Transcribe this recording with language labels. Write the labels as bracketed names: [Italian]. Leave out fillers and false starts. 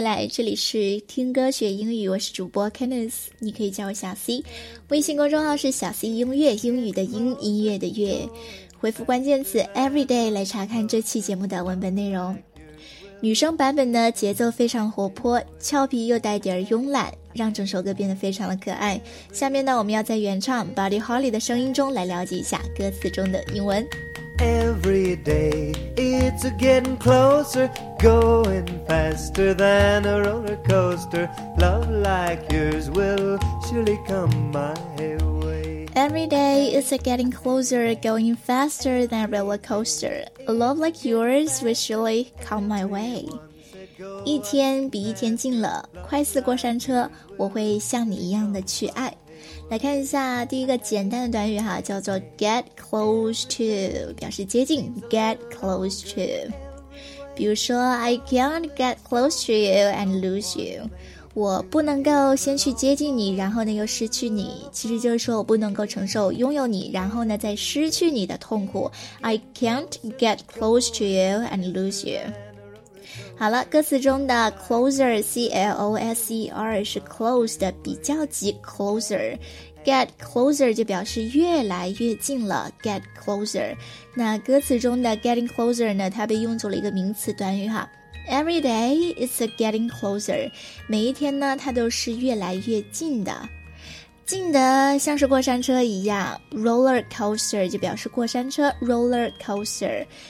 [Chinese] 这里是听歌学英语，我是主播 Kenneth， 你可以叫我小 C， 微信公众号是小 C 音乐，英语的英，音乐的乐，回复关键词 everyday 来查看这期节目的文本内容。女生版本呢节奏非常活泼，俏皮又带点慵懒，让整首歌变得非常的可爱。下面呢我们要在原唱 Buddy Holly 的声音中来了解一下歌词中的英文。 [English] Every day it's getting closer, going faster than a roller coaster. Love like yours will surely come my way. Every day it's getting closer, going faster than a roller coaster. Love like yours will surely come my way. [Chinese] 一天比一天近了，快似过山车，我会像你一样的去爱。来看一下第一个简单的短语哈，叫做 get close to，表示接近， get close to。比如说 I can't get close to you and lose you，我不能够先去接近你然后呢又失去你，其实就是说我不能够承受拥有你然后呢再失去你的痛苦。 [English] I can't get close to you and lose you。 [Chinese] 好了，歌词中的 closer C-L-O-S-E-R 是 close 的比较级 closer， get closer 就表示越来越近了， get closer。那歌词中的 getting closer 呢，它被用作了一个名词短语哈， every day it's getting closer，每一天呢它都是越来越近的，近的像是过山车一样， roller coaster 就表示过山车， roller coaster。